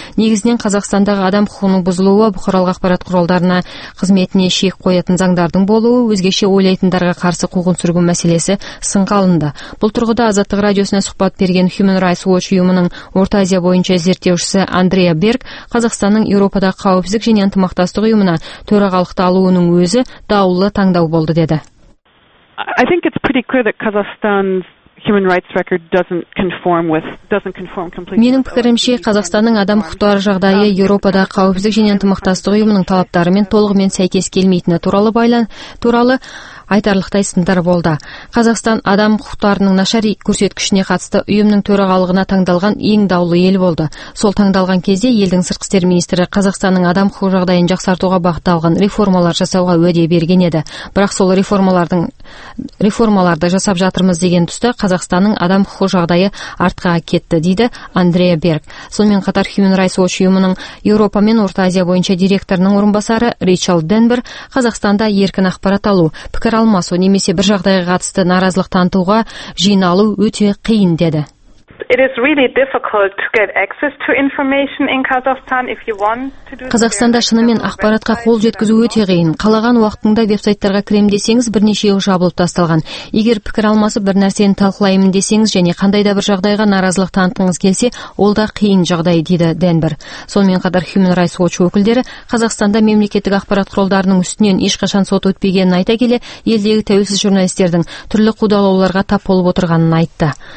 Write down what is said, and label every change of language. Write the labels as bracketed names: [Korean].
[Kazakh] Негізінен Қазақстандағы адам құқығының бұзылуы бұқаралық ақпарат құралдарына қызметіне шек қоятын заңдардың болуы, өзгеше ойлайтындарға қарсы қуғын-сүргін мәселесі сынға алынды. Бұл тұрғыда Азаттық радиосына сұхбат берген Human Rights Watch ұйымының Орта Азия бойынша зерттеушісі Андрея Берг Қазақстанның Еуропада қауіпсіздік және ынтымақтастық ұйымы төрағалықты алуының өзі даулы таңдау болды деді. [English] I think it's pretty clear that Kazakhstan's human rights record doesn't conform completely. [Kazakh] Менің пікірімше, Қазақстанның адам құқықтары жағдайы Еуропада қауіпсіздік және ынтымақтастық ұйымының талаптарымен толығымен сәйкес келмейтіні туралы айтарлықтай сындар болды. Қазақстан адам құқықтарының нашар көрсеткішіне қатысты ұйымның төрағалығына таңдалған ең даулы ел болды. Сол таңдалған кезде елдің сыртқы істер министрі Қазақстанның адам құқығы жағдайын жақсартуға бағытталған реформалар жасауға уәде берген еді. Бірақ сол реформаларды жасап жатырмыз деген тұста Қазақстанның адам құқығы жағдайы артқа кетті, дейді Андрея Берг. Сонымен қатар Human Rights Watch ұйымының Еуропа мен Орта Азия бойынша директорының орынбасары Ричард Денбер Қазақстанда еркін ақпарат алу, пікір алмасу немесе бір жағдайға қатысты наразылық танытуға жиналу өте қиын деді. [English] It is really difficult to get access to information in Kazakhstan if you want to do. [Kazakh] Қазақстанда шынымен ақпаратқа қол жеткізу өте қиын. Қалаған уақытында веб-сайттарға кірем десеңіз, бірнеше жол жабылып тасталған. Егер пікір алмасып бір нәрсені талқылаймын десеңіз және қандай да бір жағдайға наразылық танытқыңыз келсе, ол да қиын жағдай, дейді Денбер. Сонымен қатар Human Rights Watch өкілдері Қазақстанда мемлекеттік ақпарат құралдарының үстінен ешқашан сот өтпегенін айта келе, елдегі тәуелсіз журналистердің түрлі қудалауларға тап болып отырғанын айтты.